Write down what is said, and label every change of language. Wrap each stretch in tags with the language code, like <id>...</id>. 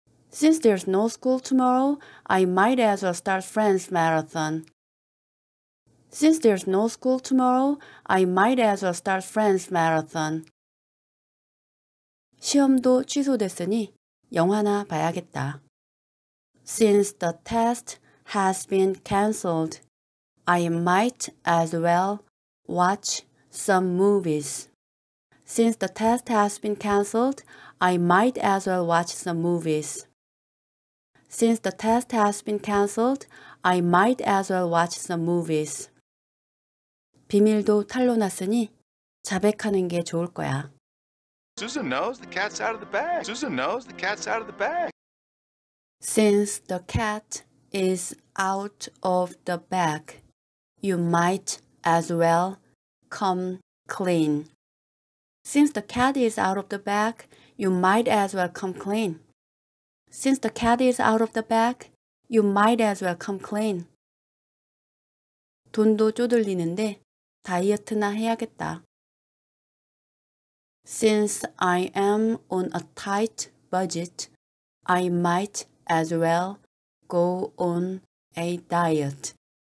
<en>Since there's no school tomorrow, I might as well start Friends Marathon. Since there's no school tomorrow, I might as well start Friends Marathon.</en> <ko>시험도 취소됐으니 영화나 봐야겠다.</ko> <en>Since the test has been cancelled, I might as well watch some movies. Since the test has been cancelled, I might as well watch some movies. Since the test has been cancelled, I might as well watch some movies.</en> <ko>비밀도 탄로났으니 자백하는 게 좋을 거야.</ko> <en>Susan knows the cat's out of the bag. Susan knows the cat's out of the bag. Since the cat is out of the bag, you might as well come clean. Since the cat is out of the bag, you might as well come clean. Since the cat is out of the bag, you might as well come clean.</en> <ko>돈도 쪼들리는데 다이어트나 해야겠다.</ko> <en>Since I am on a tight budget, I might as well go on a diet.</en>